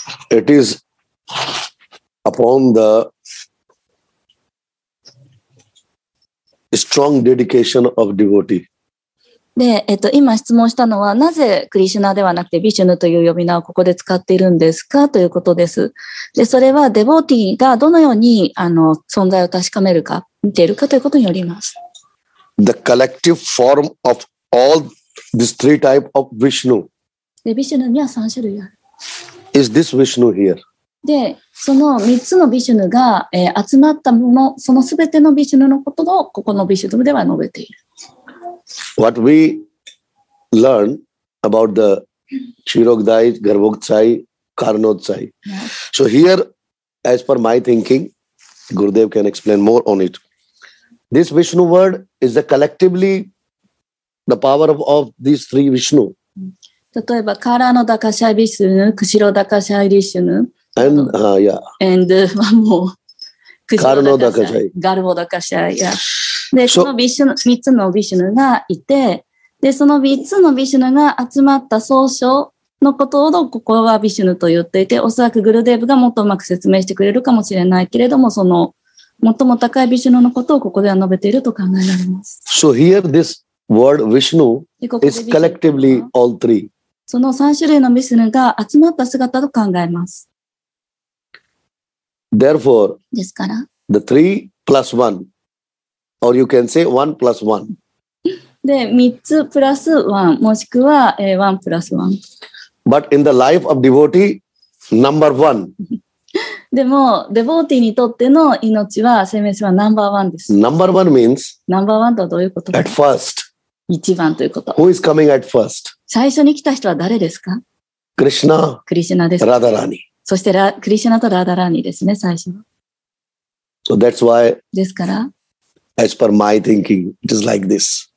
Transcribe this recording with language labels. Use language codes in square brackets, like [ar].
[en] It is upon the strong dedication of devotee. [ja] で、今質問したのは、なぜクリシュナではなくてビシュヌという呼び名をここで使っているんですかということです。で、それはデボーティーがどのように存在を確かめるか、見ているかということによります。 [en] The collective form of all these three types of Vishnu. [ja] で、ビシュヌには3種類ある。 [en] Is this Vishnu here? [ja] で、その3つのビシュヌが、集まったもの、そのすべてのビシュヌのことをここのビシュヌでは述べている。 [en] What we learn about the Chirogdai, Garbhoktsai, Karnotsai. So here, as per my thinking, Gurudev can explain more on it. This Vishnu word is the collectively the power of these three Vishnu. [ja] 例えば、カラノダカシャビシュヌ、クシロダカシャビシュヌ。 [en] And, yeah. And, one more. [ja] カラノダカシャイ。ガルボダカシャイ、yeah. で、そのビシュヌ、三つのビシュヌがいて、で、その三つのビシュヌが集まった総称のことを、ここはビシュヌと言っていて、おそらくグルデーブがもっとうまく説明してくれるかもしれないけれども、その、最も高いビシュヌのことをここでは述べていると考えられます。 [en] So here this word Vishnu is collectively all three. [ja] その三種類のビシュヌが集まった姿と考えます。 [en] Therefore, [ja] ですから、 [en] the three plus one. Or you can say one plus one. [ja] で、三つプラス one、もしくは [en] one plus one。 But in the life of devotee, number one. [ja] でも、デボーティーにとっての命は、生命線はナンバーワンです。 [en] Number one means? [ja] ナンバーワンとはどういうこと? [en] At first. [ja] 一番ということ。 [en] Who is coming at first? [ja] 最初に来た人は誰ですか? [en] Krishna. [ja] クリシュナです。ラダラーニ。そして、クリシュナとラダラーニですね、最初。 [en] So that's why. [ja] ですから。 [en] As per my thinking, it is like this.